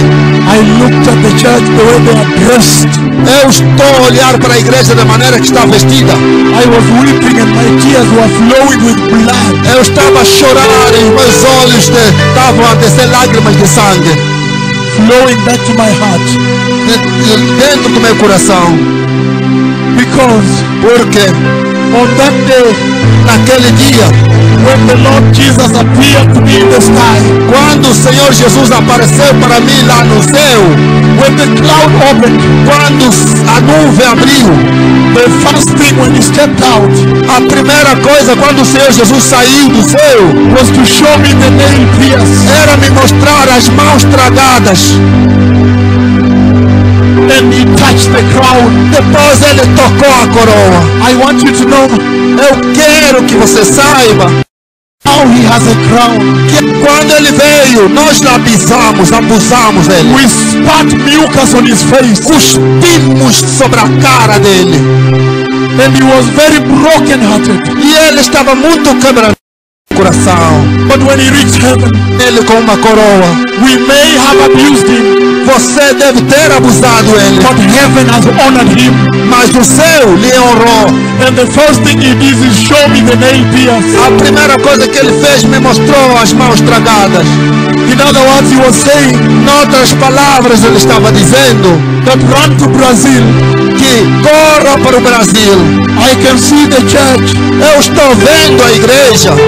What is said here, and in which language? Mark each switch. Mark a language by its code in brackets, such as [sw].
[en] I looked at the church the way they are dressed. [pt] Eu estou a olhar para a igreja da maneira que está vestida. [en] I was weeping and my tears were flowing with blood. [pt] Eu estava a chorar e meus olhos estavam a descer lágrimas de sangue. [en] Flowing back to my heart. [pt] Dentro do meu coração. Porque [en] on that day, [pt] naquele dia, [en] when the Lord Jesus appeared to me in the sky, [pt] quando o Senhor Jesus apareceu para mim lá no céu, [en] when the cloud opened, [pt] quando a nuvem abriu, [en] the first thing when he stepped out, [pt] a primeira coisa quando o Senhor Jesus saiu do céu, [en] was to show me the nail pierced, [pt] era me mostrar as mãos tragadas. [en] And he touched the crown. [pt] Depois ele tocou a coroa. [en] I want you to know. [pt] Eu quero que você saiba. [en] Now he has a crown. [pt] Que quando ele veio, nós lapisamos, abusamos dele. [en] We spat mucus on his face. [pt] Cuspimos sobre a cara dele. [en] And he was very broken hearted. [pt] E ele estava muito quebrado. Coração. [en] But when he reached heaven, [pt] ele com uma coroa, [en] we may have abused him. [pt] Você deve ter abusado ele. [en] But heaven has honored him. [pt] Mas o céu lhe honrou. [en] And the first thing he did is show me the nail pierced. [pt] A primeira coisa que ele fez me mostrou as mãos estragadas. [en] In other words, he was saying, [pt] em outras palavras, ele estava dizendo, [en] that run to Brazil. [pt] Que corra para o Brasil. [en] I can see the church. [pt] Eu estou vendo a igreja.